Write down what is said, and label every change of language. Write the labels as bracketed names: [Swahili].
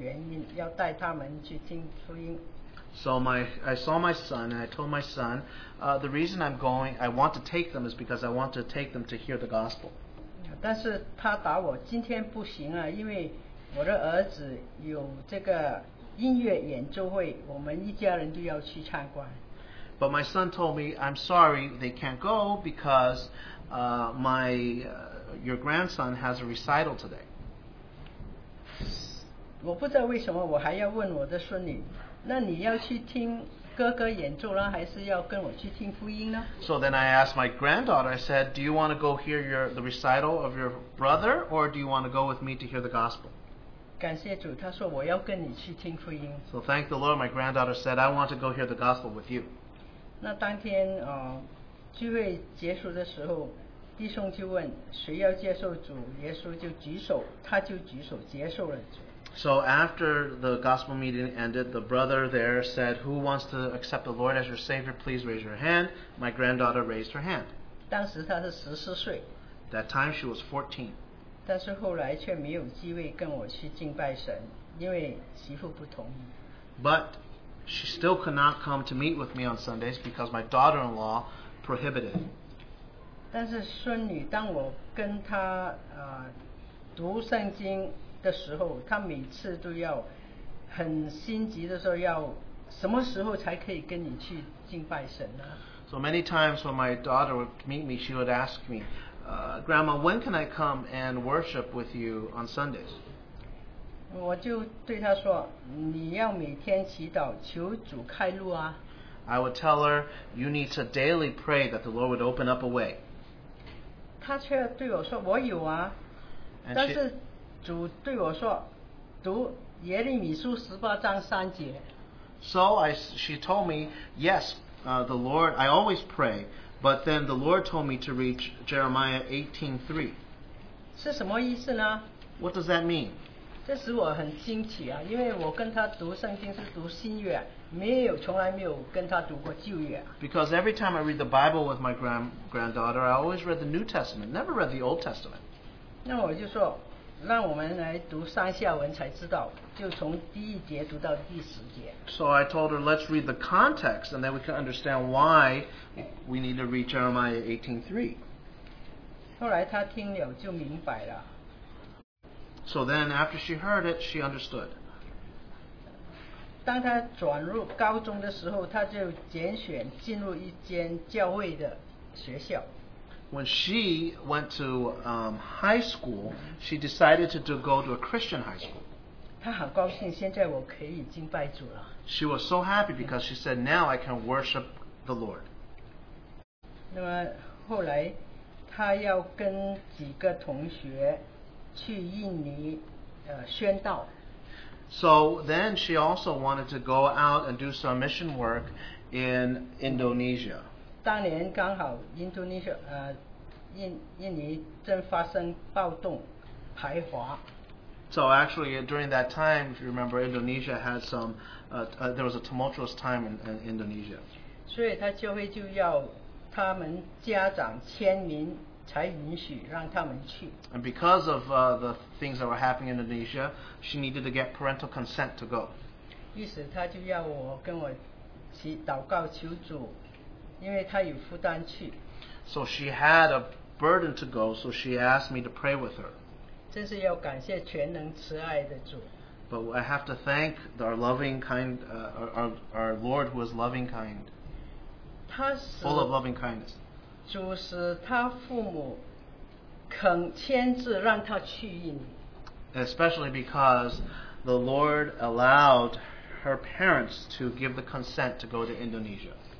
[Chinese] 那刚好我的儿子跟孙女在听那边，我就告诉儿子我去的原因，要带他们去听福音。 [English] So I saw my son and I told my son, the reason I'm going, I want to take them is because I want to take them to hear the gospel. [Chinese] 但是他答我今天不行啊，因为我的儿子有这个。音乐演奏会，我们一家人都要去参观。 [English] But my son told me, I'm sorry, they can't go because your grandson has a recital today. [Chinese] 我不知道为什么我还要问我的孙女, 那你要去听 [English] So then I asked my granddaughter, I said, do you want to go hear the recital of your brother, or do you want to go with me to hear the gospel? [Chinese] 感谢主, 她说我要跟你去听福音。 [English] So thank the Lord, my granddaughter said, I want to go hear the gospel with you. [Chinese] 那当天, 聚会结束的时候, 弟兄就问, 谁要接受主耶稣就举手, 他就举手接受了主。 [English] So after the gospel meeting ended, the brother there said, who wants to accept the Lord as your Savior, please raise your hand. My granddaughter raised her hand. [Chinese] 当时她是14岁, [English] that time she was 14. [Chinese] 但是后来却没有机会跟我去敬拜神, 因为媳妇不同意。 [English] But she still could not come to meet with me on Sundays because my daughter-in-law prohibited. [Chinese] 但是孙女当我跟她, 读圣经, 的时候, 他每次都要, 很心急地说, 要, 什么时候才可以跟你去敬拜神呢? [English] So many times when my daughter would meet me, she would ask me, Grandma, when can I come and worship with you on Sundays? [Chinese] 我就对她说, 你要每天祈祷, 求主开路啊。 [English] I would tell her, you need to daily pray that the Lord would open up a way. [Chinese] 她却对我说, 我有啊, 但是 主对我说, [English] so she told me, yes, the Lord, I always pray, but then the Lord told me to read Jeremiah 18:3. [Chinese] 是什么意思呢? [English] What does that mean? [Chinese] 这使我很惊奇啊, 因为我跟他读圣经是读新约, 没有, 从来没有跟他读过旧约。 [English] Because every time I read the Bible with my granddaughter, I always read the New Testament, never read the Old Testament. [Chinese] 那我就说, 让我们来读上下文才知道, 就从第一节读到第十节。 [English] So I told her, let's read the context, and then we can understand why we need to read Jeremiah 18:3. [Chinese] 后来她听了就明白了。 [English] So then after she heard it, she understood. [Chinese] 当她转入高中的时候, 她就拣选进入一间教会的学校。 [English] When she went to high school, she decided to go to a Christian high school. [Chinese] 她很高兴现在我可以敬拜主了。 [English] She was so happy because she said, now I can worship the Lord. [Chinese] 那么后来她要跟几个同学去印尼, ,宣道。 [English] So then she also wanted to go out and do some mission work in Indonesia. [Chinese] 当年刚好印度尼西亚, 印尼正发生暴动排华。 [English] So actually during that time, if you remember, Indonesia had some there was a tumultuous time in Indonesia. [Chinese] 所以他教会就要他们家长签名才允许让他们去。 [English] And because of the things that were happening in Indonesia, she needed to get parental consent to go. [Chinese] 意思他就要我跟我祷告求主, 因为他有负担去。 [English] So she had a burden to go, so she asked me to pray with her. [Chinese] 真是要感谢全能慈爱的主。 [English] But I have to thank our loving kind, our Lord who is loving kind, [Chinese] 他使, [English] full of loving kindness. [Chinese] 主使他父母肯签字让他去印尼。 [English] Especially because the Lord allowed her parents to give the consent to go to Indonesia.